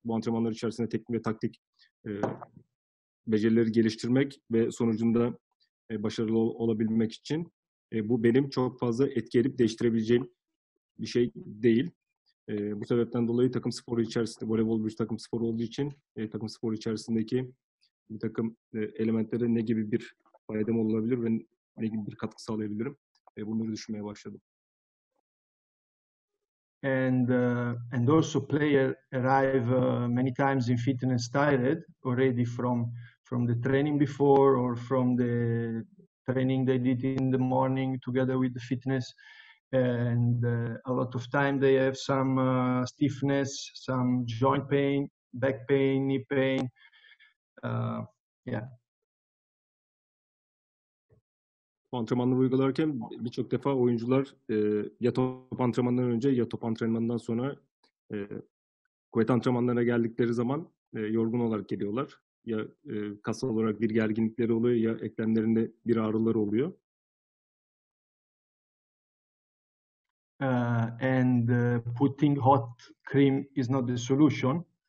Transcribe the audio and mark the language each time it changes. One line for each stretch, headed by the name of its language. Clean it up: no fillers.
Turkish: Bu antrenmanlar içerisinde teknik ve taktik becerileri geliştirmek ve sonucunda başarılı olabilmek için bu benim çok fazla etki edip değiştirebileceğim bir şey değil. Bu sebepten dolayı takım sporu içerisinde, voleybol bir takım sporu olduğu için takım sporu içerisindeki bir takım elementlere ne gibi bir faydam olabilir ve ne gibi bir katkı sağlayabilirim? Bunları düşünmeye başladım.
English: and also player arrive many times in fitness tired already from the training before or from the training they did in the morning together with the fitness, and a lot of time they have some stiffness, some joint pain, back pain, knee pain.
Turkish: Antrenmanı uygularken birçok defa oyuncular ya top antrenmanından önce ya top antrenmandan sonra kuvvet antrenmanlarına geldikleri zaman yorgun olarak geliyorlar. Ya kasal olarak bir gerginlikleri oluyor ya eklemlerinde bir ağrılar oluyor.
English: And putting hot cream is not the solution.